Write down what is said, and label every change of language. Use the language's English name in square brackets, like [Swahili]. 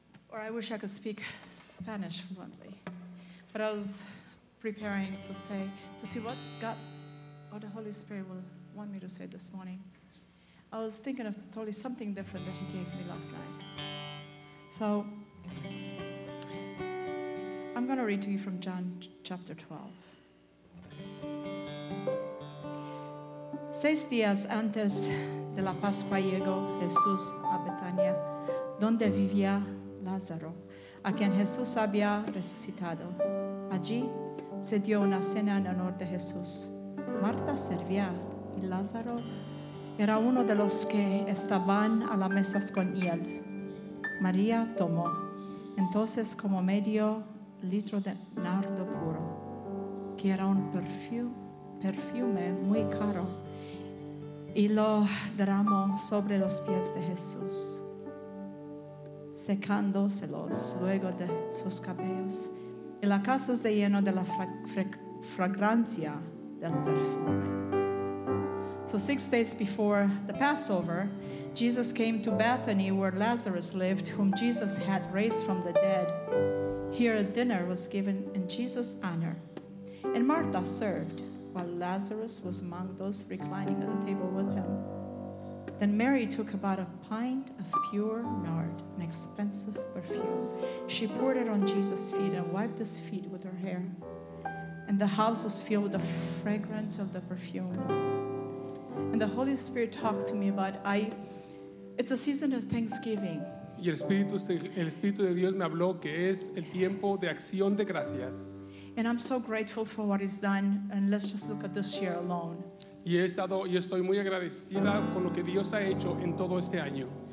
[English] Or I wish I could speak Spanish fluently. But I was preparing to say, to see what God or the Holy Spirit will want me to say this morning. I was thinking of totally something different that he gave me last night. So I'm going to read to you from John chapter 12. [Spanish] Seis días antes de la Pascua llegó Jesús a Betania, donde vivía Lázaro, a quien Jesús había resucitado. Allí se dio una cena en honor de Jesús. Marta servía y Lázaro era uno de los que estaban a las mesas con él. María tomó entonces como medio litro de nardo puro, que era un perfume muy caro, y lo derramó sobre los pies de Jesús, secándoselos luego de sus cabellos. Y la casa se llenó de la fragrancia del perfume. [English] So 6 days before the Passover, Jesus came to Bethany where Lazarus lived, whom Jesus had raised from the dead. Here a dinner was given in Jesus' honor. And Martha served while Lazarus was among those reclining at the table with him. Then Mary took about a pint of pure nard, an expensive perfume. She poured it on Jesus' feet and wiped his feet with her hair. And the house was filled with the fragrance of the perfume. And the Holy Spirit talked to me about it's a season of thanksgiving. [Spanish] Y el Espíritu de Dios me habló que es el tiempo de acción de gracias. [English] And I'm so grateful for what he's done, and let's just look at this year alone. [Spanish] Y estoy muy agradecida con lo que Dios ha hecho en todo este año.